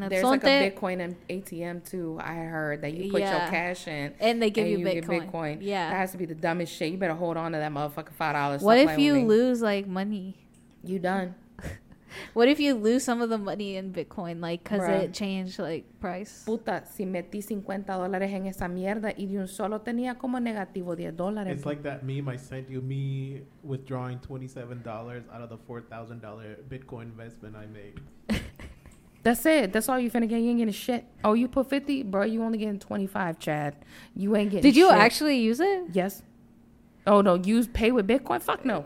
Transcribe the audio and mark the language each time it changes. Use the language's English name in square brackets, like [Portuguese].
[English] there's like a Bitcoin ATM too, I heard, that you put your cash in. And they give you Bitcoin. Yeah. That has to be the dumbest shit. You better hold on to that motherfucking $5. What if you lose, like, money? You done. What if you lose some of the money in Bitcoin, like, because it changed, like, price? [Spanish] Puta, si metí $50 en esa mierda y de un solo tenía como negativo $10. [English] It's like that meme I sent you, me withdrawing $27 out of the $4,000 Bitcoin investment I made. That's it. That's all you finna get. You ain't getting shit. Oh, you put 50? Bro, you only getting 25, Chad. You ain't getting shit. Did you actually use it? Yes. Oh, no. Use pay with Bitcoin? Fuck no.